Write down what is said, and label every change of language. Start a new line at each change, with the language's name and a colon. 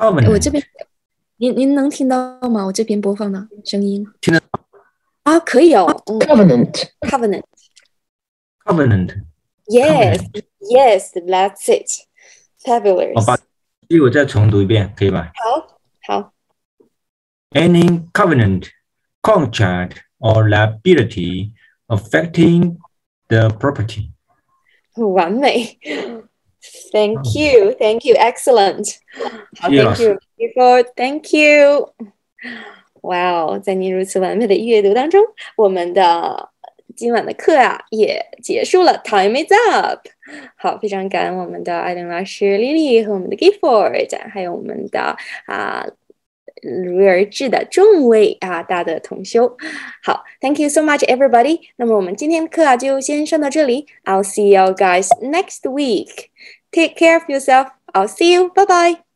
Chinese: 我这边 您能听到吗？我这边播放的声音听得到啊，可以哦。
English: Covenant. Covenant. Covenant. Yes. Yes. That's it. Fabulous.
Chinese: 好吧，我再重读一遍，可以吧？好。
English: Any covenant, contract, or liability affecting the property.
Chinese: 完美。
English: Thank you, thank you, excellent. Thank you, beautiful, thank you.
Chinese: Wow, 在您如此完美的阅读当中，我们的今晚的课啊也结束了。
English: Time is up.
Chinese: 好，非常感恩我们的艾琳老师 Lily 和我们的 Gifford， 还有我们的如而至的众位啊大的同修。
English: 好 ，Thank you so much, everybody.
Chinese: 那么我们今天的课啊就先上到这里。
English: I'll see you guys next week.Take care of yourself. I'll see you. Bye-bye.